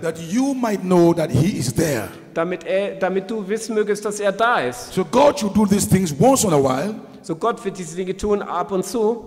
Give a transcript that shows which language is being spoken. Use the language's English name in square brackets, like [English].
[English] That you might know that he is there. [German] Damit du wissen mögest, dass er da ist. [English] So God should do these things once in a while. [German] So Gott wird diese Dinge tun ab und zu.